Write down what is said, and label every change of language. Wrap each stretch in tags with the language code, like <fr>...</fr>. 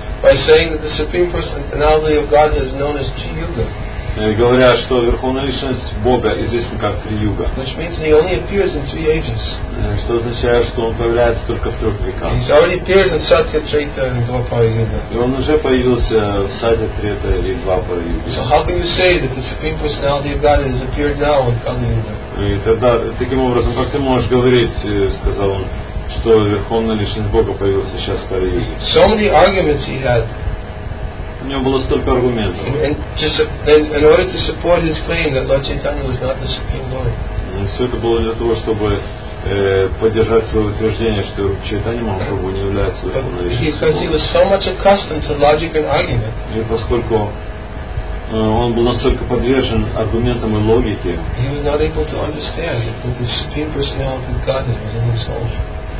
<en>By saying that the Supreme Personality of God is known as Tri-Yuga.</en> <ru>Говоря, что Верховная Личность Бога известна как Три-Юга.</ru> <en>Which means he only appears in three ages.</en> <ru>Что означает, что он появляется только в трех веках.</ru> <en>He's already appeared in Satya, Treta and Dvapara-Yuga.</en> <ru>И он уже появился в Сатья, Трета или Двапара-Юге.</ru> <en>So how can you say that the Supreme Personality of God has appeared now in Kali-Yuga?</en> <ru>И тогда, таким образом, как ты можешь говорить, сказал он, что Верховная Личность Бога появилась сейчас в Кали-Юге?</ru> <en>So many arguments he had.</en> <ru>У него было столько аргументов.</ru> <en>In order to support his claim that Lord Chaitanya was not the Supreme Lord.</en> <ru>И все это было для того, чтобы поддержать свое утверждение, что Чайтанья Махапрабху не является Верховной Личностью Бога.</ru> <en>Because he was so much accustomed to logic and argument.</en> <ru>И поскольку он был настолько подвержен аргументам и логике,</ru> <en>he was not able to understand that the Supreme Personality of Godhead was in his soul.</en>